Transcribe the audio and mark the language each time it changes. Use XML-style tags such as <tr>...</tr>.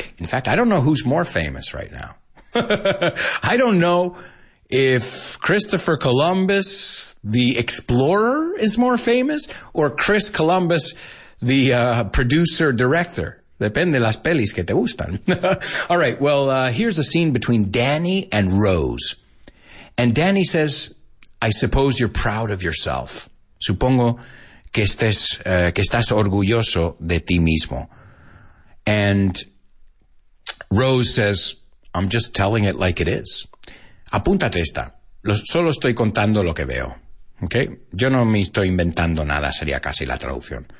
<en>In fact, I don't know who's more famous right now. I don't know if Christopher Columbus, the explorer, is more famous, or Chris Columbus, the producer-director.</en> <es>Depende las pelis que te gustan.</es> <en>All right, well, here's a scene between Danny and Rose. And Danny says, I suppose you're proud of yourself.</en> <es>Supongo que estés, que estás orgulloso de ti mismo.</es> <en>And Rose says, I'm just telling it like it is.</en> <es>Apúntate esta. Solo estoy contando lo que veo. Okay? Yo no me estoy inventando nada, sería casi la traducción.</es>